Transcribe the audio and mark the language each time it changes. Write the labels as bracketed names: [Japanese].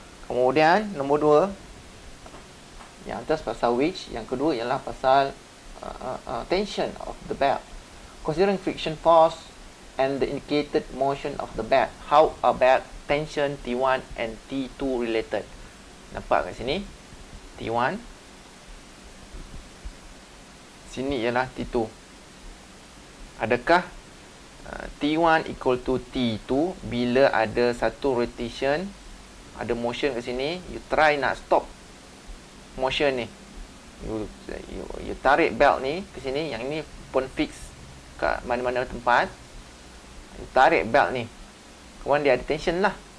[Malay] Kemudian nombor dua, yang atas pasal wedge, yang kedua ialah pasal [English] tension of the belt. Considering friction force and the indicated motion of the belt, how about tension T1 and T2 related? [Malay] Nampak kat sini T1, sini ialah T2. Adakah T1 equal to T2 bila ada satu rotation, ada motion kat sini, you try nak stop motion ni, you tarik belt ni ke sini, yang ni pun fix kat mana-mana tempat, you tarik belt ni, kemudian dia ada tension lah.